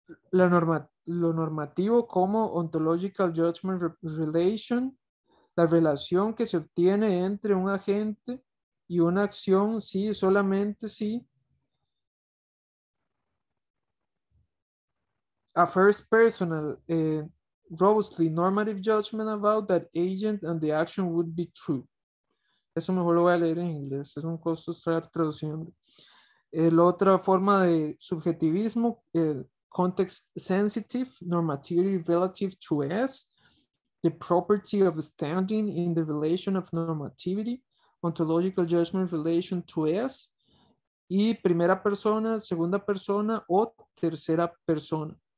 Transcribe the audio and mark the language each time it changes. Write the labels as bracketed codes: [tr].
[es] Lo normativo como [en] ontological judgment relation, [es] la relación que se obtiene entre un agente y una acción, sí, solamente sí. [en] A first personal, robustly normative judgment about that agent and the action would be true. [es] Eso mejor lo voy a leer en inglés, es un costo estar traduciendo. La otra forma de subjetivismo, [en] context sensitive, normativity relative to S, the property of standing in the relation of normativity, ontological judgment relation to S, [es] y primera persona, segunda persona o tercera persona.